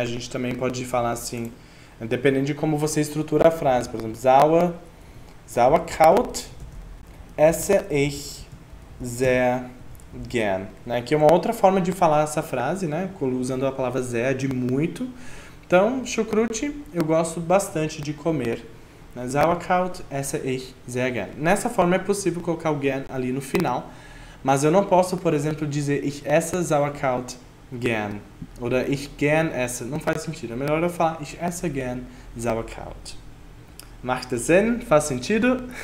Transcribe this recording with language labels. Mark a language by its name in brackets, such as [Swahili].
[Portuguese] A gente também pode falar assim, dependendo de como você estrutura a frase, por exemplo, [German] Sauerkraut esse ich sehr gern. [Portuguese] Né? Que é uma outra forma de falar essa frase, né? Usando a palavra sehr de muito. Então, chucrute, eu gosto bastante de comer. [German] Sauerkraut esse ich sehr gern. [Portuguese] Nessa forma é possível colocar o gern ali no final, mas eu não posso, por exemplo, dizer [German] ich esse Sauerkraut gern. Oder ich gern esse. [Portuguese] Não faz sentido. É melhor eu falar [German] ich esse gern Sauerkraut. Macht das Sinn? [Portuguese] Faz sentido?